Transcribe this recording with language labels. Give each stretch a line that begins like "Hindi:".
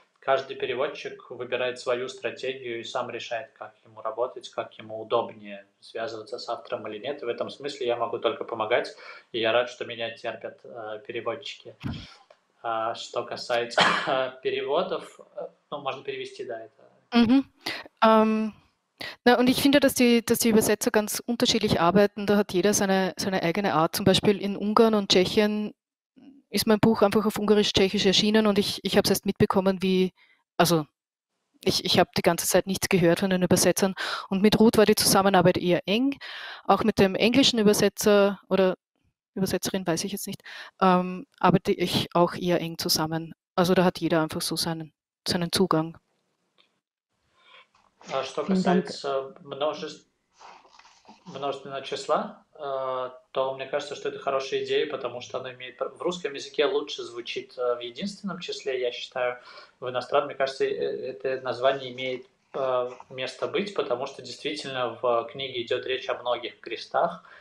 Russian: Каждый переводчик выбирает свою стратегию и сам решает, как ему работать, как ему удобнее связываться с автором или нет. И в этом смысле я могу только помогать, и я рад, что меня терпят переводчики. А что касается переводов, ну, можно перевести, да, это.
German: Na, und ich finde, dass die Übersetzer ganz unterschiedlich arbeiten. Da hat jeder seine eigene Art. Zum Beispiel in Ungarn und Tschechien ist mein Buch einfach auf Ungarisch-Tschechisch erschienen und ich habe es erst mitbekommen, wie, also ich habe die ganze Zeit nichts gehört von den Übersetzern. Und mit Ruth war die Zusammenarbeit eher eng. Auch mit dem englischen Übersetzer oder Übersetzerin weiß ich jetzt nicht, arbeite ich auch eher eng zusammen. Also da hat jeder einfach so seinen Zugang.
Russian: Что касается множественного числа, то мне кажется, что это хорошая идея, потому что она имеет в русском языке лучше звучит в единственном числе, я считаю, в иностранном. Мне кажется, это название имеет место быть, потому что действительно в книге идет речь о многих крестах.